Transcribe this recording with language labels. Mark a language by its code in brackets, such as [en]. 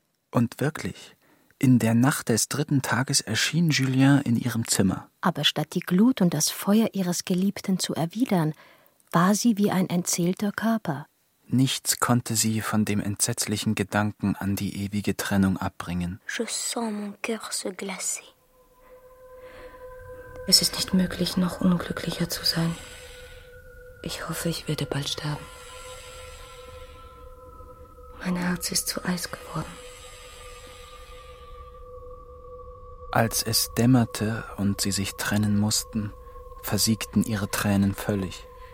[de] Und wirklich, in der Nacht des 3. Tages erschien Julien in ihrem Zimmer. Aber statt die Glut und das Feuer ihres Geliebten zu erwidern, war sie wie ein entseelter Körper. Nichts konnte sie von dem entsetzlichen Gedanken an die ewige Trennung abbringen. [fr] Je sens mon cœur se glacer. [de] Es ist nicht möglich, noch unglücklicher zu sein. Ich hoffe, ich werde bald sterben. Mein Herz ist zu Eis geworden. Als es dämmerte und sie sich trennen mussten, versiegten ihre Tränen völlig.